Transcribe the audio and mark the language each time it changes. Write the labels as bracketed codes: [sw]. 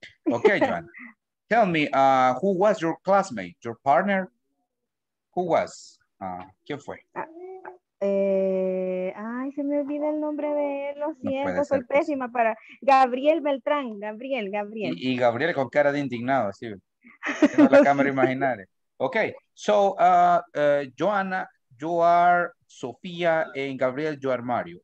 [en] Okay, Joanna. Tell me, who was your classmate? Your partner? Who was? [es] ¿Quién fue? Ay, se me olvida el nombre de él, lo siento, soy pésima para Gabriel Beltrán, Gabriel. Y Gabriel con cara de indignado, así. En la cámara imaginaria. [en] Okay, so Joanna, you are Sofía and Gabriel, you are Mario.